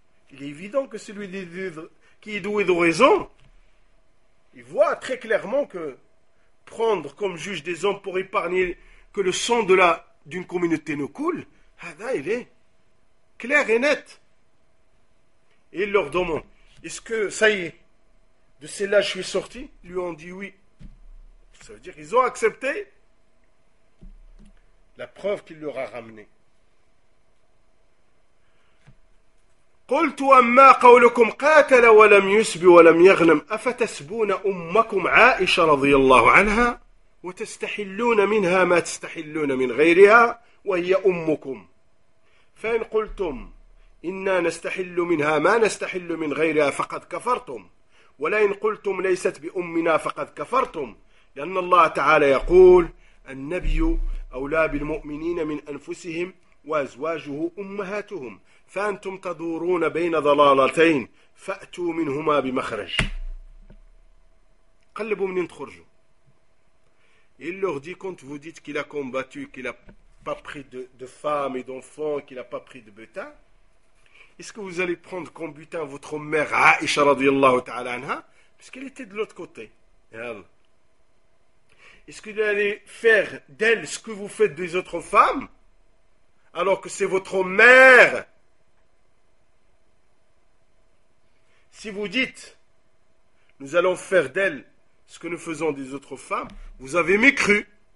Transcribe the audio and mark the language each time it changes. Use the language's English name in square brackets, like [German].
[French] Il est évident que celui qui est doué de raison, il voit très clairement que prendre comme juge des hommes pour épargner que le sang de d'une communauté ne coule, là il est clair et net. Et il leur demande, est-ce que ça y est, de celle-là je suis sorti? Ils lui ont dit oui. Ça veut dire qu'ils ont accepté la preuve qu'il leur a ramenée. [Arabic] قُلْتُ أَمَّا قَوْلُكُمْ قَاتَلَ وَلَمْ يُسْبِ وَلَمْ يَغْنَمْ أَفَتَسْبُونَ أُمَّكُمْ عَائِشَ رَضِيَ اللَّهُ عَنْهَا وَتَسْتَحِلُّونَ مِنْهَا مَا تَسْتَحِلُّونَ مِنْ غَيْرِهَا وَهِيَ أُمُّكُمْ فَإِنْ قُلْتُمْ إِنَّا نَسْتَحِلُّ مِنْهَا مَا نَسْتَحِلُّ مِنْ غَيْرِهَا فَقَدْ كَفَرْتُمْ وَلَئِنْ قُلْتُمْ لَيْسَتْ بِأُمِّنَا فَقَدْ كَفَرْتُمْ لأن الله تعالى يقول النبي أولى بالمؤمنين من أنفسهم وأزواجه أمهاتهم فأنتم تدورون بين ضلالتين فأتوا منهما بمخرج قلبوا منين تخرجوا [French] Il leur dit, quand vous dites qu'il a combattu, qu'il n'a pas pris de femmes et d'enfants, qu'il n'a pas pris de butin, est-ce que vous allez prendre comme butin votre mère Aïcha [Arabic] radiallahu ta'ala anha? [French] Parce qu'elle était de l'autre côté. Est-ce que vous allez faire d'elle ce que vous faites des autres femmes, alors que c'est votre mère? Si vous dites, nous allons faire d'elle ce que nous faisons des autres femmes, vous avez mécru.